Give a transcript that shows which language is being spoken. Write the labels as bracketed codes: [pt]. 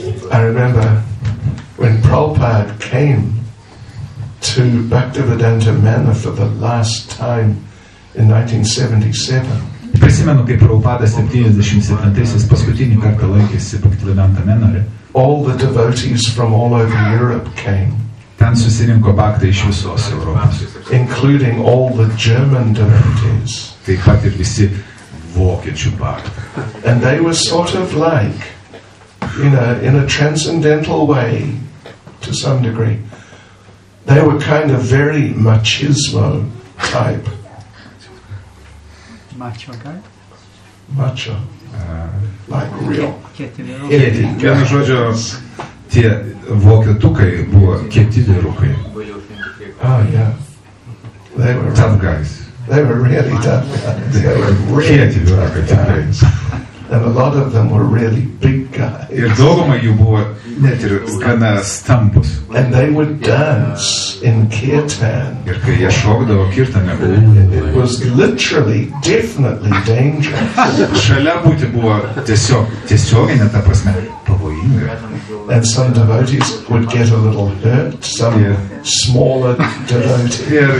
[en] I remember when Prabhupada came to Bhaktivedanta Manor for the last time in 1977. [lt] Prisimenu, kaip Prabhupada 77-aisiais paskutinį kartą laikėsi Bhaktivedanta Manor. [en] All the devotees from all over Europe came. [lt] Ten susirinko bhaktai iš visos Europos. [en] Including all the German devotees. [lt] Taip pat ir visi vokiečių bhaktai. [en] And they were sort of like, you know, in a transcendental way, to some degree, they were kind of very machismo type. Macho guy? Macho. Like real. [lt] Vienu žodžiu, tie vokietukai buvo kieti vyrukai. [en] Oh, yeah. They were tough guys. They were really tough guys. They were really [lt] kieti vyrukai tikrai. [en] And a lot of them were really big guys. [lt] Ir dauguma jų buvo net ir gana stambus. [en] And they would dance in kirtan. [lt] Ir kai jie šokdavo kirtane, [en] it was literally, definitely dangerous. [lt] Šalia būti buvo tiesiog, tiesioginė ta prasme, pavojinga. [en] and some devotees would get a little hurt, some smaller devotees.